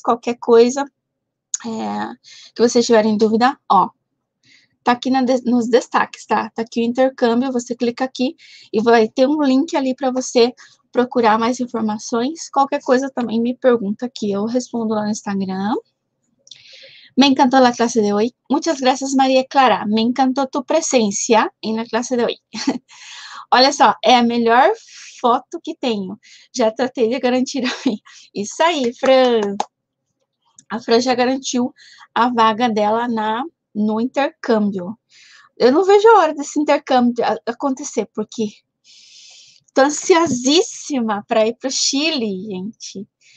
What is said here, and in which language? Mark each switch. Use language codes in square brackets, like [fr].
[pt] Qualquer coisa que vocês tiverem dúvida, ó, tá aqui nos destaques, tá? Tá aqui o intercâmbio. Você clica aqui e vai ter um link ali para você procurar mais informações. Qualquer coisa também me pergunta aqui, eu respondo lá no Instagram. [es] Me encantou la clase de hoy. Muchas gracias, Maria Clara. Me encantó tu presencia en la clase de hoy. [pt] Olha só, é a melhor foto que tenho. Já tratei de garantir a mim. Isso aí, Fran. A Fran já garantiu a vaga dela no intercâmbio. Eu não vejo a hora desse intercâmbio acontecer, porque tô ansiosíssima para ir para o Chile, gente.